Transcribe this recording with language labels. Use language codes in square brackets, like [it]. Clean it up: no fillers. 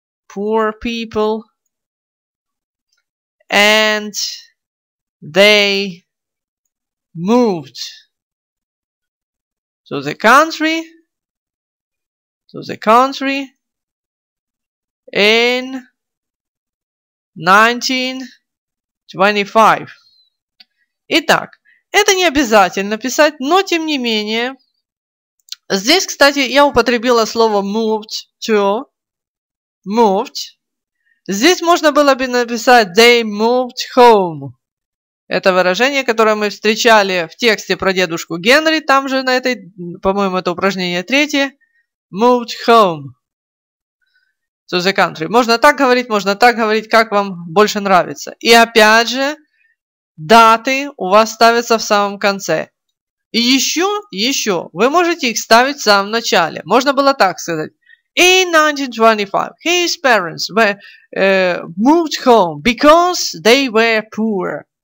[en] Poor people, and they moved to the country, in 1925. [ru] Итак, это не обязательно писать, но тем не менее, здесь, кстати, я употребила слово [en] moved to. Moved. [ru] Здесь можно было бы написать [en] they moved home. [ru] Это выражение, которое мы встречали в тексте про дедушку Генри, там же на этой, по-моему, это упражнение третье. [en] Moved home to the country. [ru] Можно так говорить, как вам больше нравится. И опять же, даты у вас ставятся в самом конце. И еще, вы можете их ставить в самом начале. Можно было так сказать. [en] In 1925, his parents were moved home because they were poor.